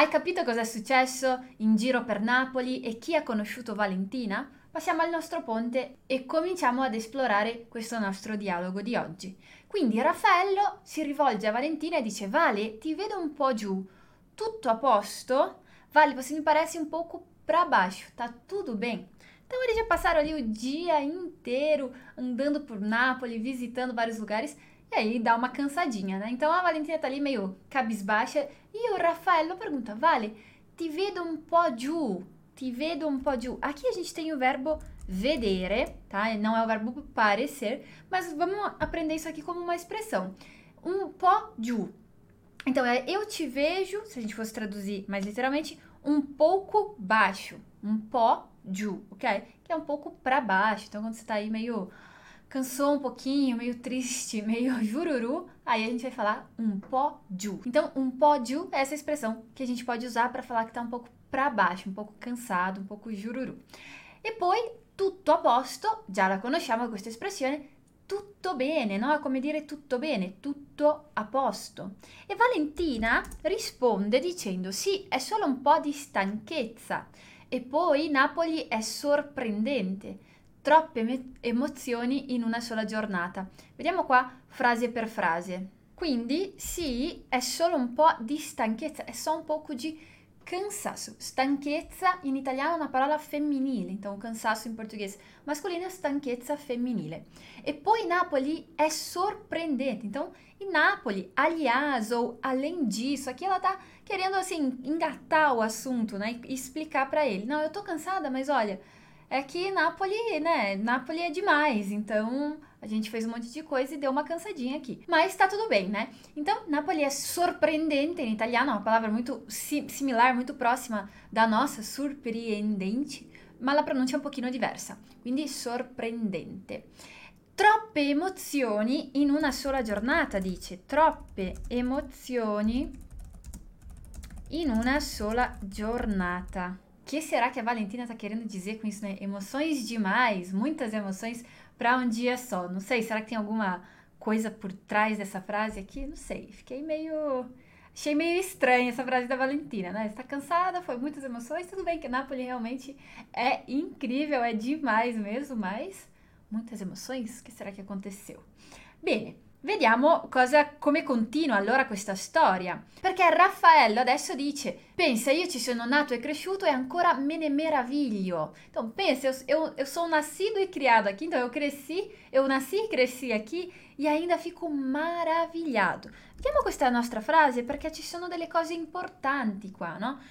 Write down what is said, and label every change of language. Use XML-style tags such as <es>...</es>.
<it>Hai capito cosa è successo in giro per Napoli e chi ha conosciuto Valentina? Passiamo al nostro ponte e cominciamo ad esplorare questo nostro dialogo di oggi. Quindi Raffaello si rivolge a Valentina e dice: Vale, ti vedo un po' giù, tutto a posto?</it> <pt>Vale, você me parece um pouco para baixo, tá tudo bem? Então eles já passaram ali o dia inteiro andando por Nápoles, visitando vários lugares, e aí dá uma cansadinha, né? Então a Valentina tá ali meio cabisbaixa e o Raffaello pergunta:</pt> <it>Vale, ti vedo um po' giù? Ti vedo um po' giù.</it> <pt>Aqui a gente tem o verbo vedere, tá? Não é o verbo parecer, mas vamos aprender isso aqui como uma expressão.</pt> <it>Um po' giù.</it> <pt>Então é eu te vejo, se a gente fosse traduzir mais literalmente, um pouco baixo.</pt> <it>Um po' giù,</it> <pt>ok? Que é um pouco para baixo. Então quando você tá aí meio cansou um pouquinho, meio triste, meio jururu, aí a gente vai falar</pt> <it>um po' giù.</it> <pt>Então</pt> <it>um po' giù</it> <pt>é essa expressão que a gente pode usar para falar que tá um pouco para baixo, um pouco cansado, um pouco jururu.</pt> <it>E poi tutto a posto, già la conosciamo questa espressione, tutto bene, no? È come dire tutto bene, tutto a posto. E Valentina risponde dicendo: sì, è solo un po' di stanchezza. E poi Napoli è sorprendente, troppe emozioni in una sola giornata. Vediamo qua frase per frase. Quindi sì, è solo un po' di stanchezza,</it> <pt>è só un poco di cansaço,</pt> <it>stanchezza in italiano è una parola femminile,</it> <pt>então cansaço</pt> <it>in portoghese masculino, stanchezza femminile. E poi Napoli è sorprendente,</it> <pt>então in Napoli, aliás, ou além disso, aqui ela tá querendo assim engatar o assunto, né, e explicar para ele: não, eu tô cansada, mas olha, é que Napoli, né, Napoli é demais, então a gente fez um monte de coisa e deu uma cansadinha aqui. Mas tá tudo bem, né? Então, Napoli é surpreendente em italiano, uma palavra muito similar, muito próxima da nossa, surpreendente, mas a pronúncia é um pouquinho diversa.</pt> <it>Quindi, sorprendente. Troppe emozioni in una sola giornata, dice. Troppe emozioni in una sola giornata.</it> <pt>Che será que a Valentina tá querendo dizer com isso, né? Emoções demais, muitas emoções para um dia só. Não sei, será que tem alguma coisa por trás dessa frase aqui? Não sei. Fiquei meio. Achei meio estranha essa frase da Valentina, né? Está cansada, foi muitas emoções. Tudo bem que Napoli realmente é incrível, é demais mesmo, mas muitas emoções? O que será que aconteceu? Bem,</pt> <it>Vediamo cosa, come continua allora questa storia. Perché Raffaello adesso dice: pensa, io ci sono nato e cresciuto e ancora me ne meraviglio.</it> <pt>Então, pensa, eu sou nascido e criado aqui, então eu nasci e cresci aqui e ainda fico maravilhado.</pt> <it>Vediamo questa nostra frase perché ci sono delle cose importanti qua, no?</it>